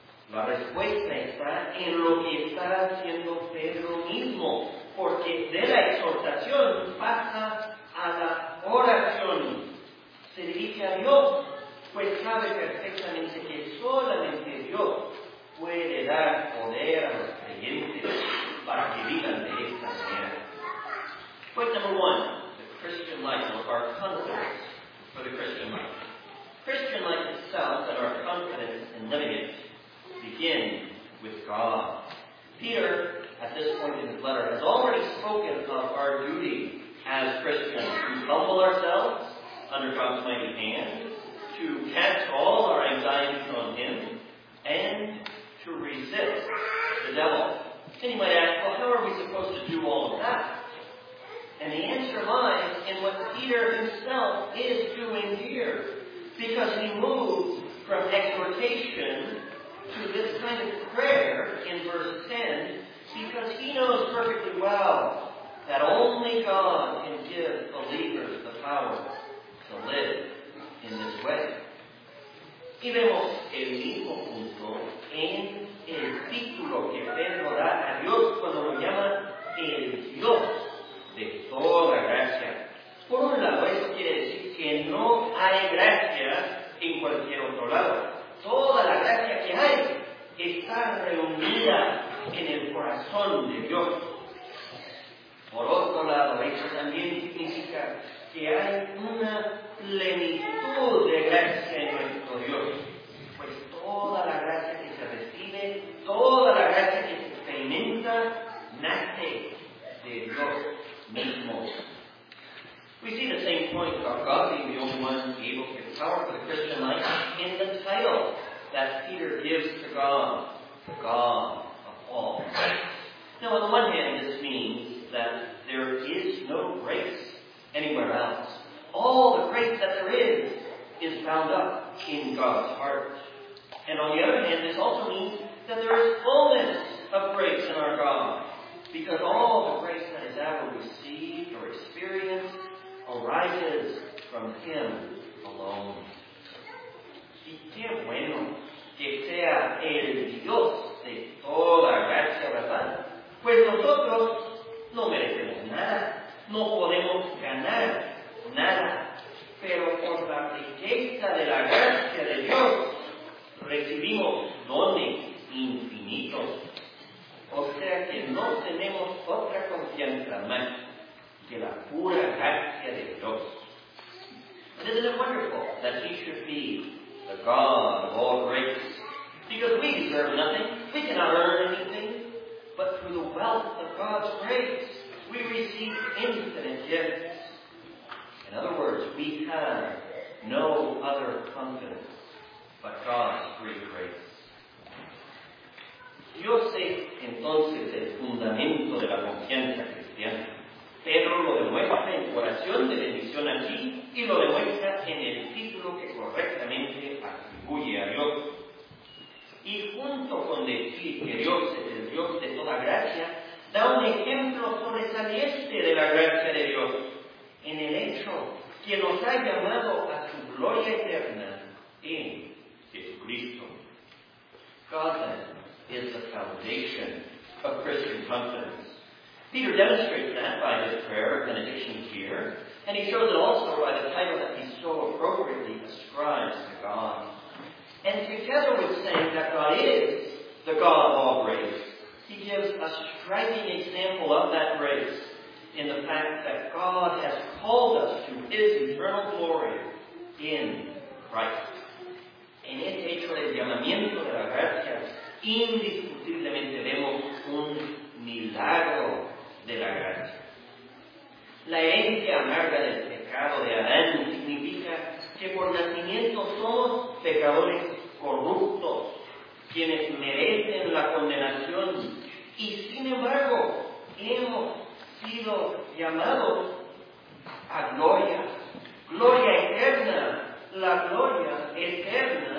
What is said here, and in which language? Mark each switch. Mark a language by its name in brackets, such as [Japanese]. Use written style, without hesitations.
[Spanish] La respuesta está en lo que está haciendo Pedro mismo, porque de la exhortación pasa a la oración. Se dirige a Dios, pues sabe perfectamente que solamente Dios puede dar poder a los creyentes para que vivan de esta manera. [English] Point number one, the Christian life, or our confidence for the Christian life. Christian life itself and our confidence in living it begin with God. Peter, at this point in his letter, has already spoken of our duty as Christians to humble ourselves under God's mighty hand, to cast all our anxieties on Him, and to resist the devil. And you might ask, well, how are we supposed to do all of that? And the answer lies in what Peter himself is doing here, because he moves from exhortation to this kind of prayer in verse 10, because he knows perfectly well that only God can give believers the power to live in this way. [Spanish] Y vemos el mismo punto en el título que Pedro da a Dios cuando lo llama el Dios de toda gracia. Por un lado, eso quiere decir que no hay gracia en cualquier otro lado. Toda la gracia que hay está reunida en el corazón de Dios. Por otro lado, eso también significa que hay una plenitud de gracia en nuestro Dios. Pues toda la gracia que se recibe, toda la gracia que se experimenta, nace de Dios mismo. [English] We see the same point about God being the only one able to give power for the Christian life in the title that Peter gives to God, the God of all grace. Now, on the one hand, this means that there is no grace anywhere else. All the grace that there is bound up in God's heart. And on the other hand, this also means that there is fullness of grace in our God, because all the grace that is ever received or experienced arises from Him alone. [Spanish] Y qué bueno que sea el Dios de toda gracia, ¿verdad? Pues nosotros no merecemos nada, no podemos ganar nada, pero por la riqueza de la gracia de Dios recibimos dones infinitos. O sea que no tenemos otra confianza más que la pura gracia de Dios. [English] And isn't it wonderful that He should be the God of all grace? Because we deserve nothing. We cannot earn anything. But through the wealth of God's grace, we receive infinite gifts. In other words, we have no other confidence but God's free grace. [Spanish] Dios es entonces el fundamento de la confianza cristiana. Pedro lo demuestra en oración de bendición aquí y lo demuestra en el título que correctamente atribuye a Dios. Y junto con decir que Dios es el Dios de toda gracia, da un ejemplo sobresaliente de la gracia de Dios en el hecho que nos ha llamado a su gloria eterna en Jesucristo. [English] God then is the foundation of Christian confidence. Peter demonstrates that by his prayer of benediction here, and he shows it also by the title that he so appropriately ascribes to God. And together with saying that God is the God of all grace, he gives a striking example of that grace in the fact that God has called us to His eternal glory in Christ. [Spanish] En este hecho del llamamiento de la gracia, indiscutiblemente vemos un milagro de la gracia. La herencia amarga del pecado de Adán significa que por nacimiento somos pecadores corruptos, quienes merecen la condenación, y sin embargo hemos sido llamados a gloria, gloria eterna, la gloria eterna.